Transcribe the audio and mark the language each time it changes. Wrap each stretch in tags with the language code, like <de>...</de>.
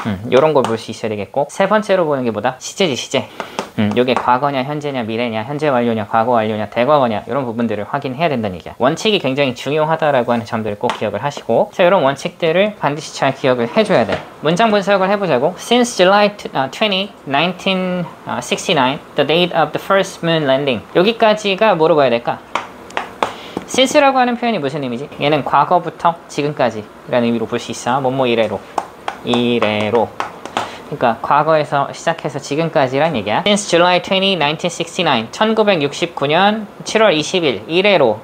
<ko>이런 걸 볼 수 있어야 되겠고. 세 번째로 보는 게 뭐다? 시제지, 시제. 요게 과거냐, 현재냐, 미래냐, 현재 완료냐, 과거 완료냐, 대과거냐, 이런 부분들을 확인해야 된다는 얘기야. 원칙이 굉장히 중요하다라고 하는 점들을 꼭 기억을 하시고, 자, 이런 원칙들을 반드시 잘 기억을 해줘야 돼. 문장 분석을 해보자고.</ko> <en>Since July 20, 1969, the date of the first moon landing.</en> <ko>여기까지가 뭐로 봐야 될까? Since라고 하는 표현이 무슨 의미지? 얘는 과거부터 지금까지라는 의미로 볼 수 있어. 뭐뭐 이래로. 이래로. 그니까 과거에서 시작해서 지금까지란 얘기야.</ko> <en>Since July 20, 1969,</en> <ko>1969년 7월 20일 이래로.</ko>